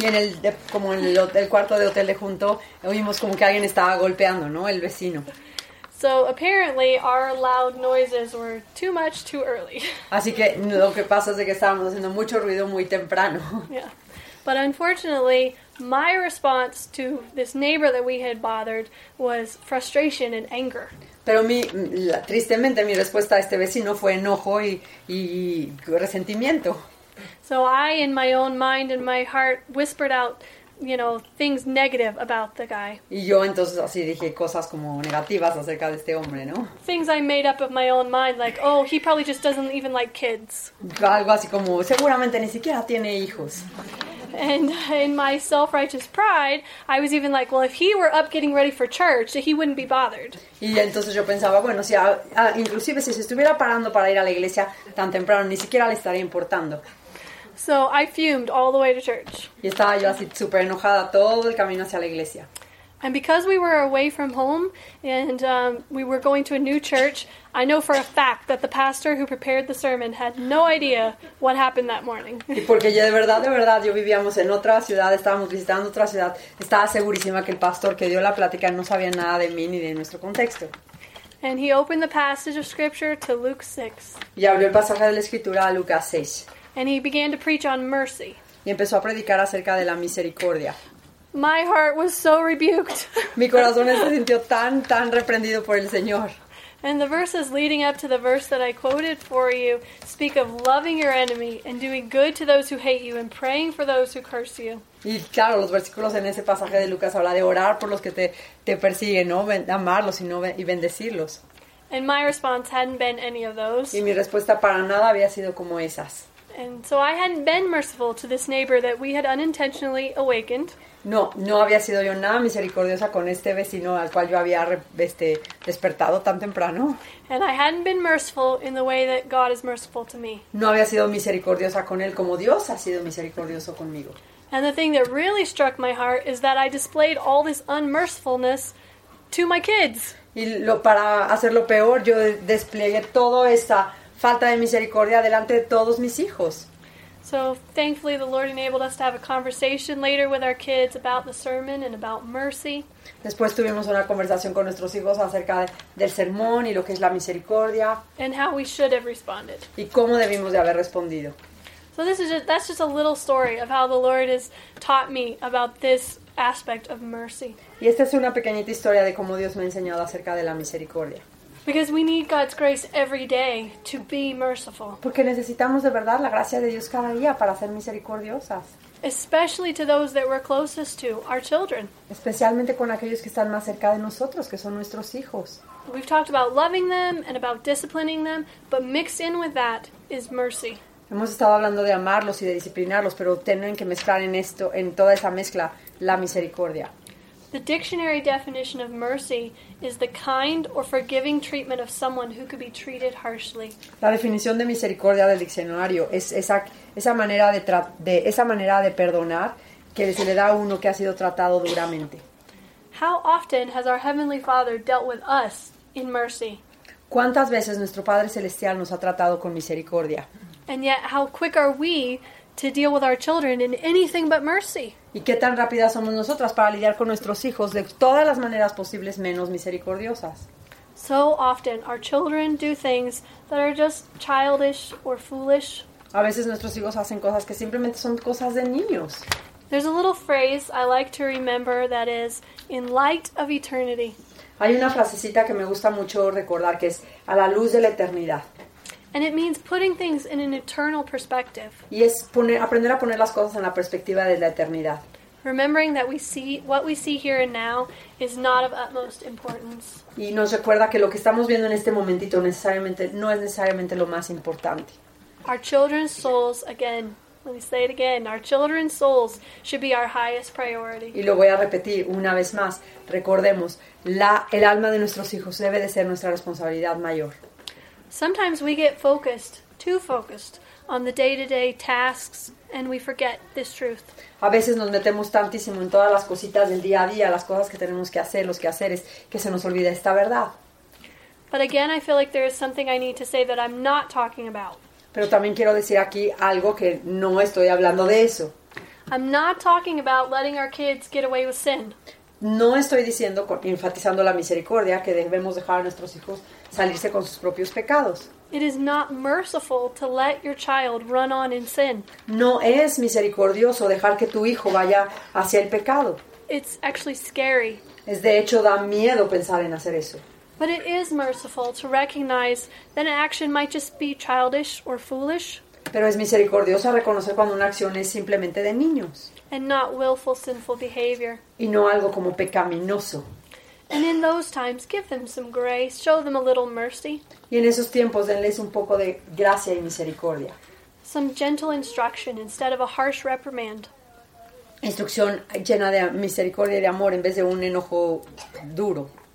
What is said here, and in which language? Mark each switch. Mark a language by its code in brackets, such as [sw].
[es] Y en el cuarto de hotel de junto oímos como que alguien estaba golpeando, ¿no? El vecino. [en] So apparently our loud noises were too much too early. [es] Así que lo que pasa es que estábamos haciendo mucho ruido muy temprano. [en] Yeah. But unfortunately, my response to this neighbor that we had bothered was frustration and anger. [es] Pero tristemente mi respuesta a este vecino fue enojo y resentimiento. [en] So I in my own mind and my heart whispered out you know, things negative about the guy. [es] Y yo entonces así dije cosas como negativas acerca de este hombre, ¿no? [en] Things I made up of my own mind, like, oh, he probably just doesn't even like kids. [es] Algo así como, seguramente ni siquiera tiene hijos. [en] And in my self-righteous pride, I was even like, well, if he were up getting ready for church, he wouldn't be bothered. [es] Y entonces yo pensaba, bueno, si inclusive si se estuviera parando para ir a la iglesia tan temprano, ni siquiera le estaría importando. [en] So I fumed all the way to church. [es] Y estaba yo así súper enojada todo el camino hacia la iglesia. [en] And because we were away from home and we were going to a new church, I know for a fact that the pastor who prepared the sermon had no idea what happened that morning. [es] Y porque ya de verdad, yo vivíamos en otra ciudad, estábamos visitando otra ciudad, estaba segurísima que el pastor que dio la plática no sabía nada de mí ni de nuestro contexto. [en] And he opened the passage of scripture to Luke 6. [es] Y abrió el pasaje de la escritura a Lucas 6. [en] And he began to preach on mercy. [es] Y empezó a predicar acerca de la misericordia. [en] My heart was so rebuked. [es] Mi corazón se sintió tan reprendido por el Señor. [en] And the verses leading up to the verse that I quoted for you speak of loving your enemy and doing good to those who hate you and praying for those who curse you. [es] Y claro, los versículos en ese pasaje de Lucas habla de orar por los que te persiguen, ¿no? Amarlos y bendecirlos. [en] And my response hadn't been any of those. [es] Y mi respuesta para nada había sido como esas. [en] And so I hadn't been merciful to this neighbor that we had unintentionally awakened. [es] No había sido yo nada misericordiosa con este vecino al cual yo había despertado tan temprano. [en] And I hadn't been merciful in the way that God is merciful to me. [es] No había sido misericordiosa con él como Dios ha sido misericordioso conmigo. [en] And the thing that really struck my heart is that I displayed all this unmercifulness to my kids. [es] Y para hacerlo peor, yo desplegué toda esta falta de misericordia delante de todos mis hijos. [en] So thankfully the Lord enabled us to have a conversation later with our kids about the sermon and about mercy. [es] Después tuvimos una conversación con nuestros hijos acerca del sermón y lo que es la misericordia. [en] And how we should have responded. [es] Y cómo debimos de haber respondido. [en] So that's just a little story of how the Lord has taught me about this aspect of mercy. [es] Y esta es una pequeñita historia de cómo Dios me ha enseñado acerca de la misericordia. [en] Because we need God's grace every day to be merciful. [es] Porque necesitamos de verdad la gracia de Dios cada día para ser misericordiosas. [en] Especially to those that we're closest to, our children. [es] Especialmente con aquellos que están más cerca de nosotros, que son nuestros hijos. [en] We've talked about loving them and about disciplining them, but mixed in with that is mercy. [es] Hemos estado hablando de amarlos y de disciplinarlos, pero tienen que mezclar en esto, en toda esa mezcla, la misericordia. [en] The dictionary definition of mercy is the kind or forgiving treatment of someone who could be treated harshly. [es] La definición de misericordia del diccionario es esa manera de perdonar que se le da a uno que ha sido tratado duramente. [en] How often has our Heavenly Father dealt with us in mercy? [es] ¿Cuántas veces nuestro Padre Celestial nos ha tratado con misericordia? [en] And yet, how quick are we to deal with our children in anything but mercy? [es] ¿Y qué tan rápidas somos nosotras para lidiar con nuestros hijos de todas las maneras posibles menos misericordiosas? [en] So often our children do things that are just childish or foolish. [es] A veces nuestros hijos hacen cosas que simplemente son cosas de niños. [en] There's a little phrase I like to remember that is in light of eternity. [es] Hay una frasecita que me gusta mucho recordar que es a la luz de la eternidad. [en] And it means putting things in an eternal perspective. [es] Y es aprender a poner las cosas en la perspectiva de la eternidad. [en] Remembering that what we see here and now is not of utmost importance. [es] Y nos recuerda que lo que estamos viendo en este momentito no es necesariamente lo más importante. [en] Our children's souls, again, let me say it again, our children's souls should be our highest priority. [es] Y lo voy a repetir una vez más. Recordemos, el alma de nuestros hijos debe de ser nuestra responsabilidad mayor. [en] Sometimes we get focused, too focused, on the day-to-day tasks, and we forget this truth. [es] A veces nos metemos tantísimo en todas las cositas del día a día, las cosas que tenemos que hacer, los quehaceres, que se nos olvida esta verdad. [en] But again, I feel like there is something I need to say that I'm not talking about. [es] Pero también quiero decir aquí algo que no estoy hablando de eso. [en] I'm not talking about letting our kids get away with sin. [es] No estoy diciendo, enfatizando la misericordia, que debemos dejar a nuestros hijos salirse con sus propios pecados. [en] It is not merciful to let your child run on in sin. [es] No es misericordioso dejar que tu hijo vaya hacia el pecado. [en] It's actually scary. [es] Es de hecho da miedo pensar en hacer eso. [en] But it is merciful to recognize that an action might just be childish or foolish. [es] Pero es misericordioso reconocer cuando una acción es simplemente de niños. [en] and not willful sinful behavior. [es] Y no algo como pecaminoso. [en] And in those times, give them some grace, show them a little mercy. [es] Y en esos tiempos, denles un poco de gracia y misericordia. [en] Some gentle instruction instead of a harsh reprimand. [es] Instrucción llena de misericordia y de amor en vez de un enojo duro.